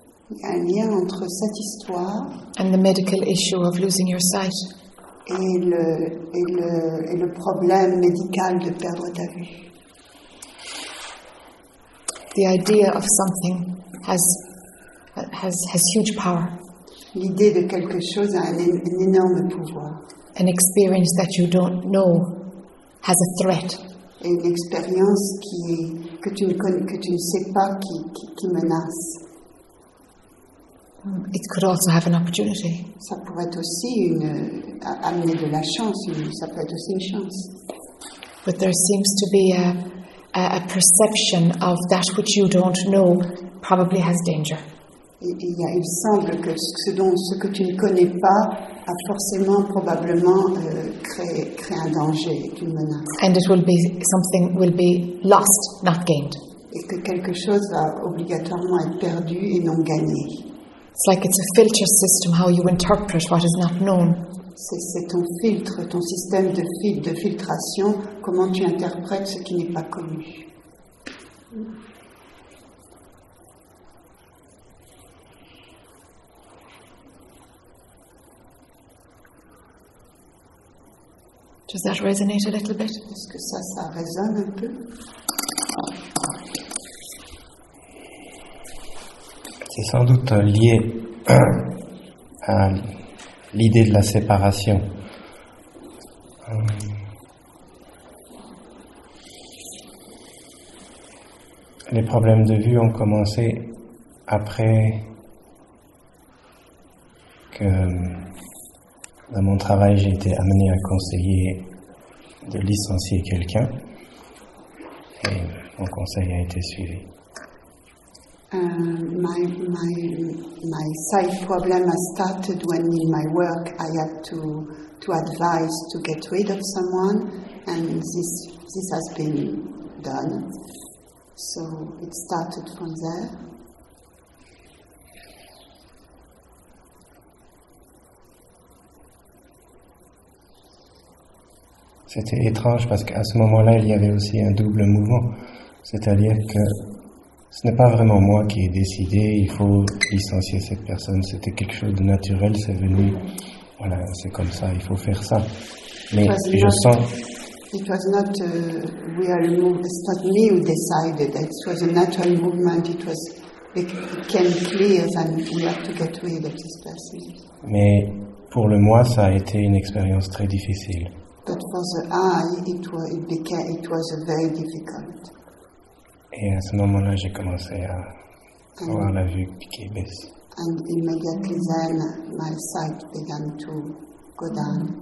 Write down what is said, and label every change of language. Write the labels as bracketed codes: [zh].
[fr] Il y a un lien entre cette histoire [en] and the medical issue of losing your sight. [fr] Et le problème médical de perdre ta vue. [en] The idea of something has huge power. [fr] L'idée de quelque chose a un énorme pouvoir. [en] An experience that you don't know has a threat. [fr] Et une expérience que tu ne sais pas qui menace. [en] It could also have an opportunity. [fr] Ça pourrait aussi une amener de la chance. Ça peut être aussi une chance. [en] But there seems to be a perception of that which you don't know probably has danger. [fr] Il semble que ce que tu ne connais pas a forcément probablement créé un danger, une menace. [en] And it will be something will be lost, not gained. [fr] Et que quelque chose va obligatoirement être perdu et non gagné. [en] It's like it's a filter system how you interpret what is not known. [fr] C'est ton filtre, ton système de filtration, comment tu interprètes ce qui n'est pas connu. [en] Does that resonate a little bit? [fr] Est-ce que ça résonne un peu? C'est sans doute lié à l'idée de la séparation. Les problèmes de vue ont commencé après que, dans mon travail, j'ai été amené à conseiller de licencier quelqu'un, et mon conseil a été suivi. [en] My sight problem has started when in my work I had to advise to get rid of someone, and this has been done. So it started from there. [fr] C'était étrange parce qu'à ce moment-là il y avait aussi un double mouvement, c'est-à-dire que ce n'est pas vraiment moi qui ai décidé, il faut licencier cette personne, c'était quelque chose de naturel, c'est venu, voilà, c'est comme ça, il faut faire ça. Mais je sens... [en] It was not a real move, it's not me who decided, it was a natural movement, it came clear that we have to get rid of this person. [fr] Mais pour le moi, ça a été une expérience très difficile. [en] But for the I, it was a very difficult. [fr] Et à ce moment-là, j'ai commencé à voir la vue qui baisse. [en] And immediately then, my sight began to go down.